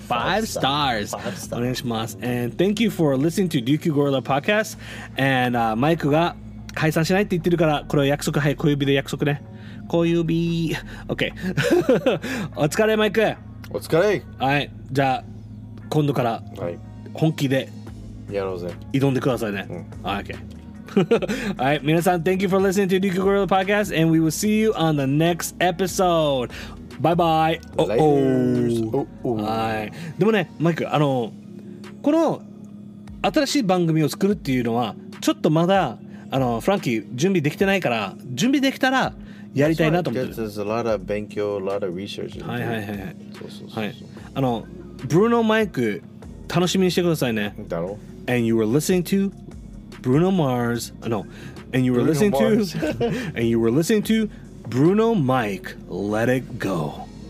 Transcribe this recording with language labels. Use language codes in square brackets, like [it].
[en] 5 stars [ja] お願いします。 [en] And thank you for listening to 琉球ゴリラ Podcast。 [ja] And、マイクが解散しないって言ってるから、これは約束、はい、小指で約束ね、小指 OK お疲れマイク、お疲れ。はい、じゃあ今度から本気でやろうぜ、挑んでくださいね、うん、 [en] OK alright, 皆さん thank you for listening to Ryukyu Gorilla Podcast, and we will see you on the next episode. Bye bye. Oh. [ja] はい。でもね、マイク、この新しい番組を作るっていうのはちょっとまだフランキー準備できてないから、準備できたらやりたいなと思ってる。 [en] There's a lot of 勉強、a lot of research. [ja] はいはいはい。そう。はい。ブルーノマイク楽しみにしてくださいね。だろう。 [en] And you were listening to。 Bruno Mars, no, and you were Bruno listening、Mars. to, and you were listening to Bruno Mike, Let It Go.